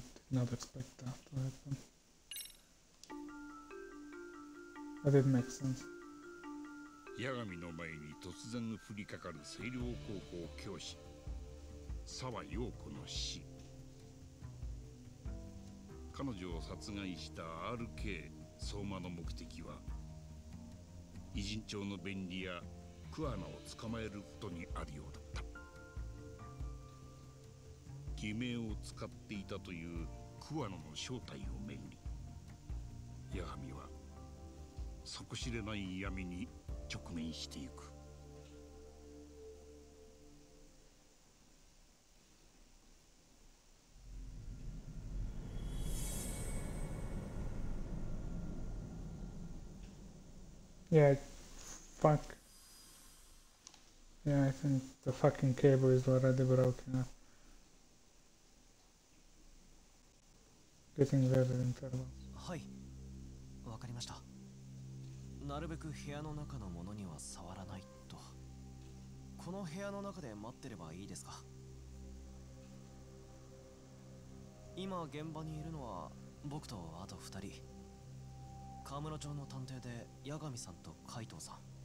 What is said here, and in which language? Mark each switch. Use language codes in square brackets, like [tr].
[en] Not expect that to happen. But it makes sense. [ja] Yagami の前に突然降りかかる清涼高校教師、沢陽子の死。彼女を殺害した RK 相馬の目的は、偉人町の便利屋クアナを捕まえることにあるようだった。偽名を使っていたという。クワノの正体をめぐり、ヤガミは底知れない闇に直面していく。 [en] Yeah, fuck. Yeah, I think the fucking cable is already broken up. Getting better intervals. [ja] はい。わかりました。なるべく部屋の中のものには触らないと。この部屋の中で待ってればいいですか。今現場にいるのは僕とあと二人。河村町の探偵で八神さんと海藤さん。